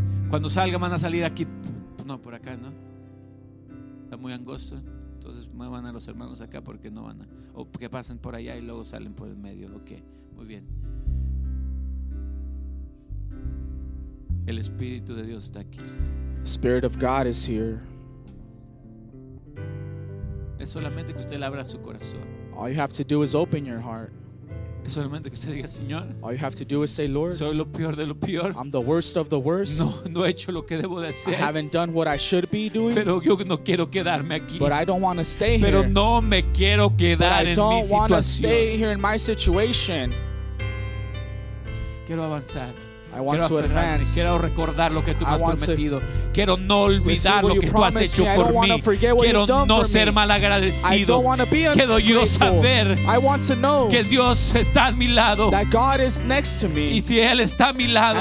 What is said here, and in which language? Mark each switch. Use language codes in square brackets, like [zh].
[es] Cuando salga, van a salir aquí. No, por acá, ¿no? Está muy angosto. Entonces muevan a los hermanos acá porque no van a. O que pasen por allá y luego salen por el medio. Ok, muy bien. El Espíritu de Dios está aquí. [en] The Spirit of God is here. [es] Es solamente que usted le abra su corazón. [en] All you have to do is open your heart. [es] Es solamente que usted diga, Señor. [en] All you have to do is say, Lord. [es] Soy lo peor de lo peor. [en] I'm the worst of the worst. [es] No, no he hecho lo que debo de hacer. [en] I haven't done what I should be doing. [es] Pero yo no quiero quedarme aquí. [en] But I don't want to stay [es] Pero [en] here. [es] Pero no me quiero quedar [en] But [es] en mi situación. [en] I don't want to stay here in my situation. [es] Quiero avanzar. [en] I want [es] quiero [en] to advance. [es] Quiero recordar lo que tú me has prometido. Quiero no olvidar lo que tú has hecho por mí. Quiero no ser malagradecido. Quiero yo saber que Dios está a mi lado. [en] That God is next to me. [es] Y si Él está a mi lado,